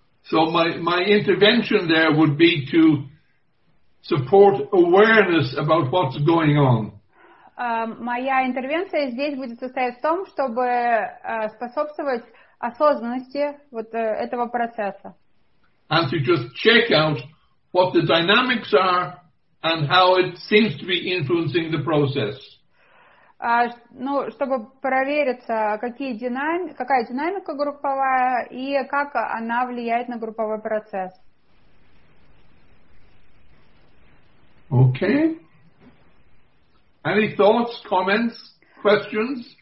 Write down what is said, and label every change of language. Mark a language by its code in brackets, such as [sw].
[en] So my intervention there would be to support awareness about what's going on. [ru] Моя интервенция здесь будет состоять в том, чтобы способствовать осознанности этого процесса. [en] And to just check out what the dynamics are and how it seems to be influencing the process. [ru] ну, чтобы провериться, какие какая динамика групповая и как она влияет на групповой процесс. [en] Okay. Any thoughts, comments, questions?